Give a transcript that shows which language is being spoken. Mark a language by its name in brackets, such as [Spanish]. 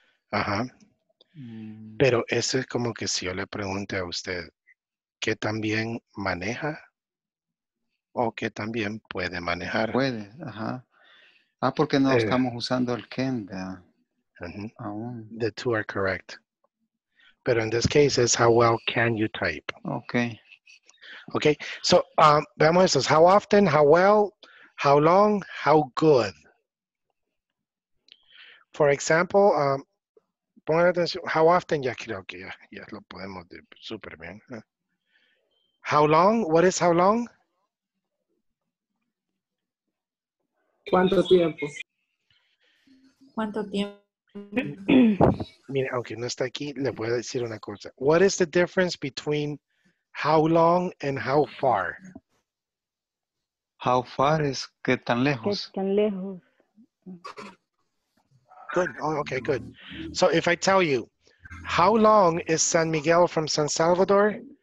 [Spanish] Ajá. Pero eso es como que si yo le pregunte a usted, ¿qué tan bien maneja? ¿O qué tan bien puede manejar? Puede, ajá. Ah, porque no estamos usando el can, ¿verdad? Uh-huh. Aún. [English] The two are correct. But in this case, it's how well can you type. Okay. [Spanish] Okay. So, veamos esto. [English] How often, how well, how long, how good. For example, [Spanish] pongan atención. How often, ya creo que ya lo podemos decir super bien. [English] How long, what is how long? [Spanish] ¿Cuánto tiempo? ¿Cuánto tiempo? Mire, aunque no está aquí, le voy a decir una cosa. [English] What is the difference between how long and how far? [Spanish] How far es qué tan lejos. Qué tan lejos. [English] Good. Oh, okay, good. So if I tell you, how long is San Miguel from San Salvador?